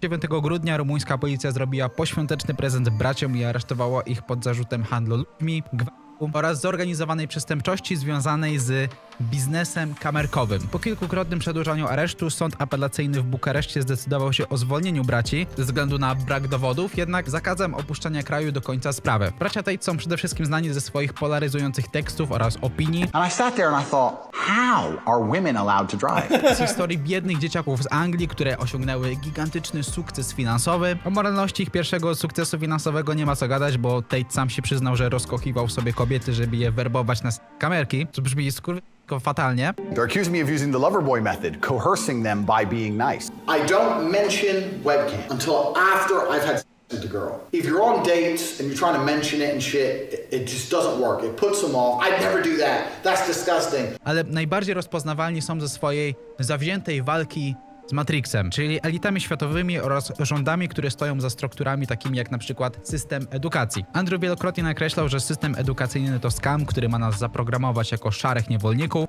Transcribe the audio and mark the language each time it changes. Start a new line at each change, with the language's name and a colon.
Polish: 9 grudnia rumuńska policja zrobiła poświąteczny prezent braciom i aresztowała ich pod zarzutem handlu ludźmi, gwałtu oraz zorganizowanej przestępczości związanej z biznesem kamerkowym. Po kilkukrotnym przedłużaniu aresztu sąd apelacyjny w Bukareszcie zdecydował się o zwolnieniu braci ze względu na brak dowodów, jednak zakazem opuszczania kraju do końca sprawy. Bracia Tate są przede wszystkim znani ze swoich polaryzujących tekstów oraz opinii.
English: And I sat there and I thought, how are women allowed to drive?
Polish: Z historii biednych dzieciaków z Anglii, które osiągnęły gigantyczny sukces finansowy. O moralności ich pierwszego sukcesu finansowego nie ma co gadać, bo Tate sam się przyznał, że rozkochiwał sobie kobiety, żeby je werbować na kamerki, co brzmi fatalnie.
English: They're accusing me of using the Loverboy method, coercing them by being nice. I don't mention webcam until after I've had sex with the girl. If you're on dates and you're trying to mention it and shit, it just doesn't work. It puts them off. I'd never do that. That's disgusting.
Polish: Ale najbardziej rozpoznawalni są ze swojej zawziętej walki z Matrixem, czyli elitami światowymi oraz rządami, które stoją za strukturami takimi jak na przykład system edukacji. Andrew wielokrotnie nakreślał, że system edukacyjny to skam, który ma nas zaprogramować jako szarych niewolników.